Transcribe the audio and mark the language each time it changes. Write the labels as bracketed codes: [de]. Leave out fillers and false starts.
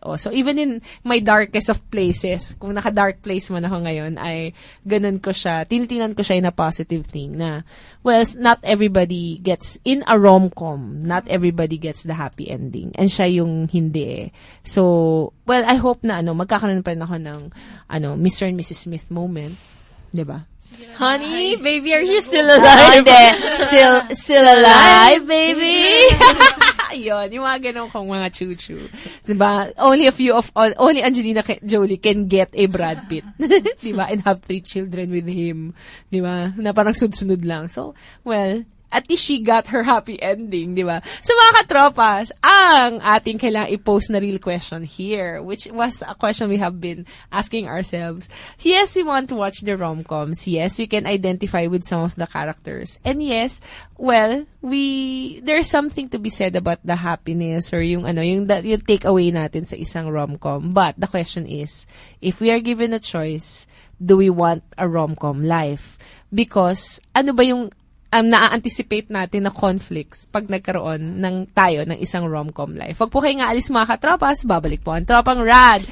[en] Oh, so, even in my darkest of places, [tl] kung naka-dark place man ako ngayon, ay ganun ko siya, [en] tinitingnan ko siya in a positive thing na, well, not everybody gets, in a rom-com, not everybody gets the happy ending. [tl] And siya yung hindi eh. So, well, I hope na ano, magkakaroon pa rin ako ng ano, Mr. [en] and Mrs. Smith moment. Diba? Honey, baby, are you still alive? still alive, baby? [tl] Yon, yung mga ganun kong mga chuchu. Diba? [en] Only a few of all, only Angelina Jolie can get a Brad Pitt. Diba? And have 3 children with him. Diba? [tl] Na parang sunod-sunod lang. [en] So, well, at least she got her happy ending, diba? So, [tl] mga katropas, ang ating kailangan i-post na [en] real question here, which was a question we have been asking ourselves. Yes, we want to watch the rom-coms. Yes, we can identify with some of the characters. And yes, well, there's something to be said about the happiness or [tl] yung ano, yung takeaway natin sa isang rom-com. [en] But the question is, if we are given a choice, do we want a rom-com life? [tl] Because, ano ba yung na-anticipate natin na conflicts pag nagkaroon ng tayo ng isang rom-com life. Huwag po kayong aalis mga katropas, babalik po ang tropang Rad.